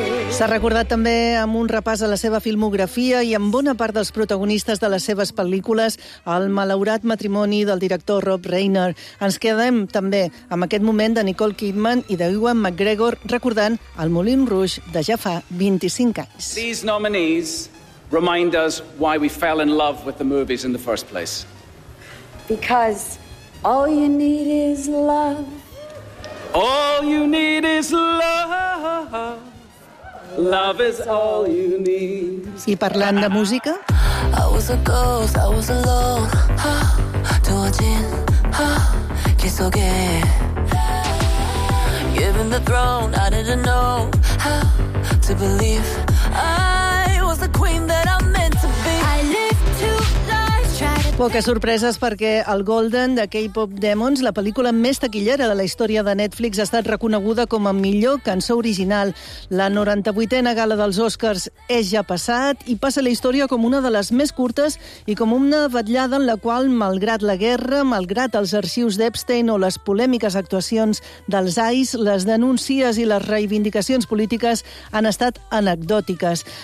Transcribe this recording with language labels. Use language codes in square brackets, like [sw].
[ca] S'ha recordat també amb un repàs a la seva filmografia i amb bona part dels protagonistes de les seves pel·lícules el malaurat matrimoni del director Rob Reiner. Ens quedem també amb aquest moment de Nicole Kidman i d'Ewan McGregor recordant el Moulin Rouge de ja fa 25 anys. [en] These nominees remind us why we fell in love with the movies in the first place. Because all you need is love. All you need is love. Love is all you need. [ca] I parlant de música, [en] I was a ghost, I was alone, to watching, kiss again. Given the throne, I didn't know how to to believe I was the queen that I'm meant to be. I live two lives, try to... [ca] Poques sorpreses perquè el Golden de K-Pop Demons, la pel·lícula més taquillera de la història de Netflix, ha estat reconeguda com a millor cançó original. La 98a gala dels Oscars és ja passat i passa la història com una de les més curtes i com una vetllada en la qual, malgrat la guerra, malgrat els arxius d'Epstein o les polèmiques actuacions dels ICE, les denúncies i les reivindicacions polítiques han estat anecdòtiques.